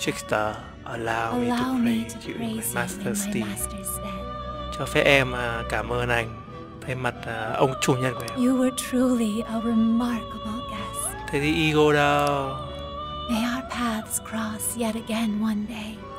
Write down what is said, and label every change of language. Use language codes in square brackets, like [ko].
[en] Trickster, allow me to praise you, Master Steve. [vi] Cho phép em cảm ơn anh thay mặt ông chủ nhân của em. [en] You were truly a remarkable guest. [vi] Thế thì ego đâu? [en] May our paths cross yet again one day.